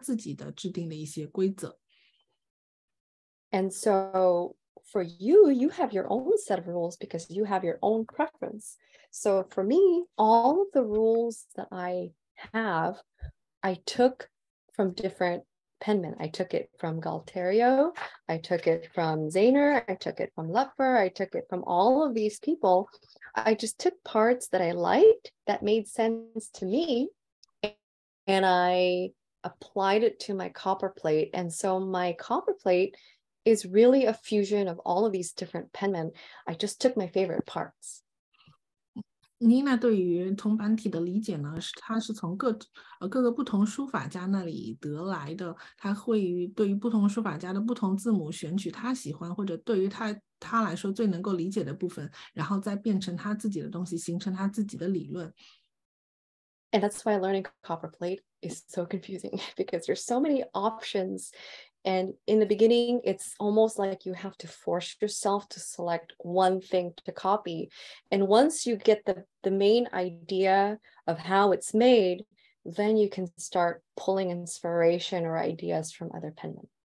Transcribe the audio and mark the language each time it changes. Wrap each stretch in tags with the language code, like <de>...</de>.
<zh>每个书法家他对于字母的理解不同，然后他自己的对于字母的规则和定义也会不一样，所以这就是为什么会有很多不同的书法家他们字形不一样，然后有很多不同的范本。所以今天这边讲的呢，是他对于这个字母他的理解和他自己的制定的一些规则。</zh> <en>And so for you have your own set of rules because you have your own preference. So for me, all of the rules that I have, I took from different penmen. I took it from Galterio, I took it from Zahner, I took it from Lupfer, I took it from all of these people. I just took parts that I liked that made sense to me, and I applied it to my copper plate. And so my copper plate is really a fusion of all of these different penmen. I just took my favorite parts.</en> <zh>Nina 对于同板体的理解呢，是它是从各个不同书法家那里得来的。它会对于不同书法家的不同字母选取它喜欢或者对于它来说最能够理解的部分，然后再变成它自己的东西，形成它自己的理论。</zh> <en>And that's why learning copperplate is so confusing because there's so many options. And in the beginning, it's almost like you have to force yourself to select one thing to copy. And once you get the main idea of how it's made, then you can start pulling inspiration or ideas from other penmen.</en>